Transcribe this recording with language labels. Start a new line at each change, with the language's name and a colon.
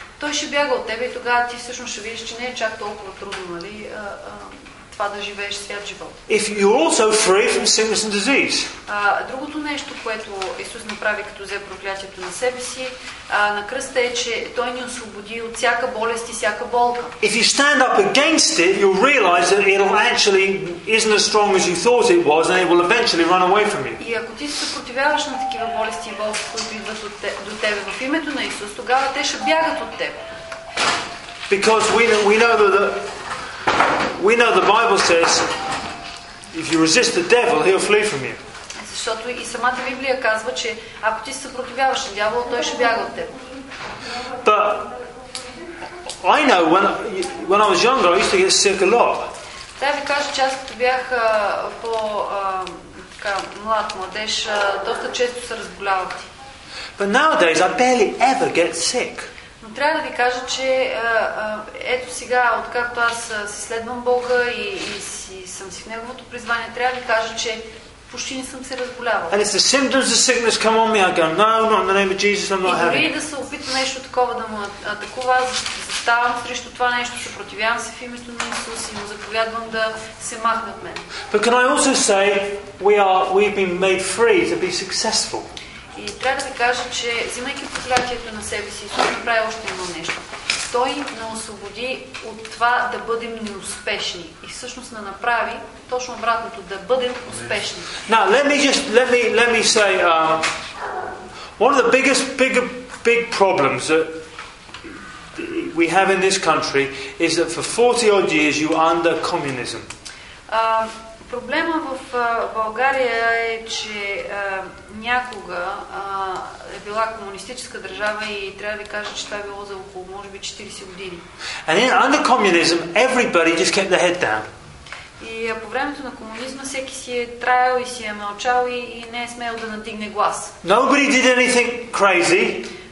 Bulgarian: той ще бяга от тебе и тогава ти всъщност ще видиш, че не е чак толкова трудно, нали, това да живееш свят живот.
English: If you're also free from sickness and disease.
Bulgarian: Другото нещо, което Исус направи като взе проклятието на себе си, на кръста е, че той ни освободи от всяка болест и всяка болка.
English: If you stand up against it, you'll realize that it actually isn't as strong as you thought it was, and it will eventually run away from you.
Bulgarian: И ако ти се съпротивяваш на такива болести и болки, които идват до тебе в името на Исус, тогава те ще бягат от теб.
English: Because we know the Bible says if you resist the devil, he'll flee from you.
Bulgarian: Защото и самата Библия казва, че ако ти се съпротивяваш на дявола, той ще бяга от теб.
English: But I know when I was younger, I used to get sick a lot.
Bulgarian: Да, ви кажа, че аз като бях по така млад младеж, доста често се разболявах.
English: But nowadays I barely ever get sick.
Bulgarian: Но трябва да ви кажа, че ето сега, откакто аз следвам Бога и съм си в Неговото призвание, трябва да ви кажа, че почти не съм се разболявал.
English: And if the symptoms of sickness come on me, I go, no, not in the name of Jesus, I'm not having it.
Bulgarian: И дори да се опита нещо такова да му атакува, заставам срещу това нещо, съпротивявам се в името на Исус и му заповядвам да се махне от мен.
English: But can I also say we've been made free to be successful?
Bulgarian: И трябва да ви кажа, че взимайки проклятието на себе си, Исус направи още едно нещо. Той ни освободи от това да бъдем неуспешни. И всъщност не направи точно обратното, да бъдем успешни.
English: Now, let me say, one of the biggest problems that we have in this country is that for 40 odd years you are under communism.
Bulgarian: Проблема в България е, че някога е била комунистическа държава и трябва да ви кажа, че това е било за около, може би, 40 години.
English: And in, under communism, everybody just kept their head down.
Bulgarian: И по времето на комунизма всеки си е траял и си е мълчал и не е смел да надигне глас.
English: Nobody did anything crazy.